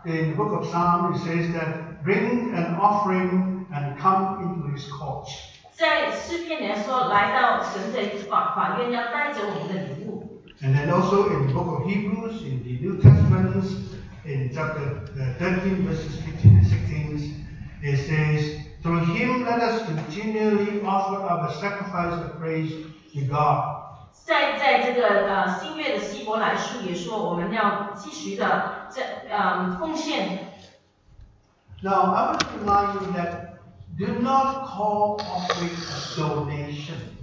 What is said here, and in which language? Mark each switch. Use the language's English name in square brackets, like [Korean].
[English] In the book of Psalms, it says that bring an offering and come into His courts. [Chinese] 在诗篇里面说，来到神的法院，要带着我们的礼物。 [English] And then also in the book of Hebrews, in the New Testament, in chapter 13, verses 15 and 16, it says, through Him let us continually offer up a sacrifice of praise to God. [Chinese] 在这个新约的希伯来书也说，我们要继续的奉献。 [English] Now, I want to remind you that do not call offering a donation.